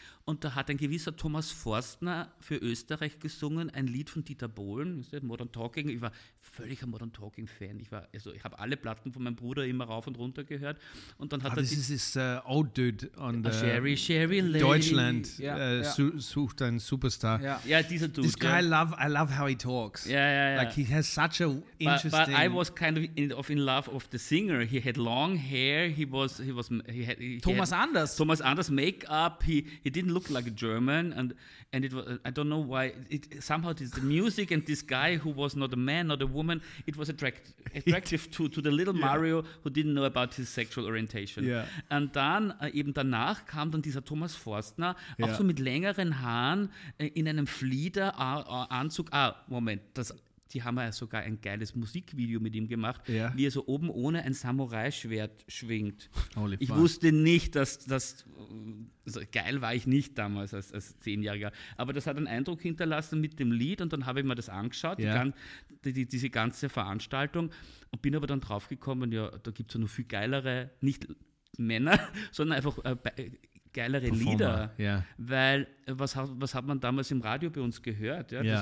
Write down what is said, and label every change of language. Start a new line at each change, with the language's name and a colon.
German: Und da hat ein gewisser Thomas Forstner für Österreich gesungen, ein Lied von Dieter Bohlen, Modern Talking. Ich war völlig ein Modern Talking Fan. Ich habe alle Platten von meinem Bruder immer rauf und runter gehört. Und dann hat er
English: this old dude on the Sherry
German: Deutschland sucht einen Superstar. Ja, dieser Dude.
English: This guy, I love how he talks. Ja. Like he has such a interesting. But I was kind of in love of the singer. He had long hair. He had Thomas Anders. Thomas Anders Make-up. He didn't look like a German and it was, I don't know why, it somehow this, the music and this guy who was not a man, not a woman, it was attractive to the little Mario who didn't know about his sexual orientation. Yeah.
German: Und dann, eben danach kam dann dieser Thomas Forstner, auch so mit längeren Haaren, in einem Flieder Anzug. Die haben ja sogar ein geiles Musikvideo mit ihm gemacht, wie er so oben ohne ein Samurai-Schwert schwingt. Ich wusste nicht, dass das, also geil war ich nicht damals als 10-Jähriger, aber das hat einen Eindruck hinterlassen mit dem Lied und dann habe ich mir das angeschaut, diese ganze Veranstaltung und bin aber dann draufgekommen, ja, da gibt es ja noch viel geilere, nicht Männer, sondern einfach geilere Performer, Lieder, weil was hat man damals im Radio bei uns gehört? Ja?